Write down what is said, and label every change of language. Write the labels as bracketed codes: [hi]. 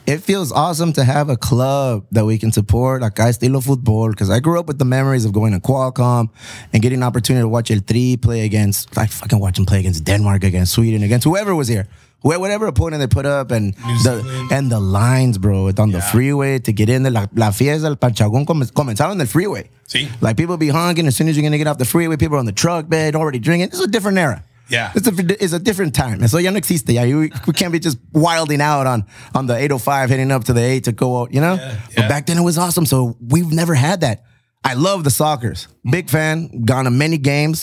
[en] It feels awesome to have a club that we can support. [es] Acá estilo fútbol. [en] Because I grew up with the memories of going to Qualcomm and getting an opportunity to watch El Tri play against, I fucking watch them play against Denmark, against Sweden, against whoever was here. Whatever opponent they put up and the lines, bro, on the freeway to get in. [es] La fiesta, el panchagón comenzaron en el freeway. [en] See? Like people be honking as soon as you're going to get off the freeway. People are on the truck bed already drinking. It's a different era. Yeah. It's a different time. So [es] ya no existe. [en] Yeah, we can't be just wilding out on the 805 heading up to the 8 to go out, you know? Yeah. But back then it was awesome. So we've never had that. I love the soccers. Big fan. Gone to many games.